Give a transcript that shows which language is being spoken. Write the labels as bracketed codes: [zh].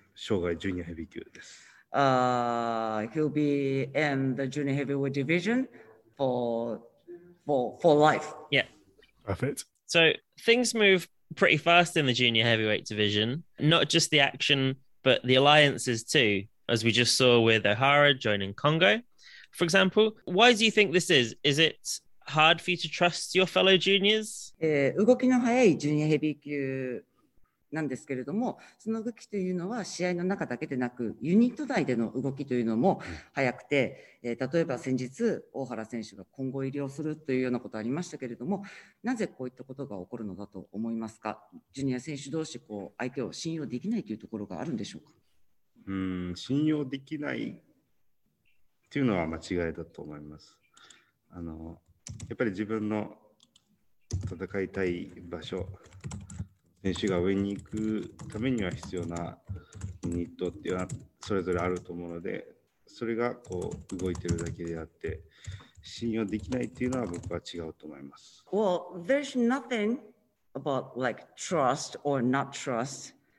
[ja] そうです。生涯ジュニアヘビー級です。 [en] He'll be in the junior heavyweight division for life. Yeah. Perfect. So things move pretty fast in the junior heavyweight division, not just the action, but the alliances too, as we just saw with O'Hara joining Congo, for example. Why do you think this is? Is it hard for you to trust your fellow juniors? [ja] 動きの速いジュニアヘビー級なんですけれども、その動きというのは試合の中だけでなく、ユニット内での動きというのも速くて、例えば先日大原選手が今後入りをするというようなことがありましたけれども、なぜこういったことが起こるのだと思いますか？ジュニア選手同士こう相手を信用できないというところがあるんでしょうか？信用できないっていうのは間違いだと思います。あのやっぱり自分の戦いたい場所、選手が上に行くためには必要なユニットっていうのはそれぞれあると思うので、それがこう動いてるだけであって、信用できないっていうのは僕は違うと思います。 [en] Well, there's nothing about like trust or not trust.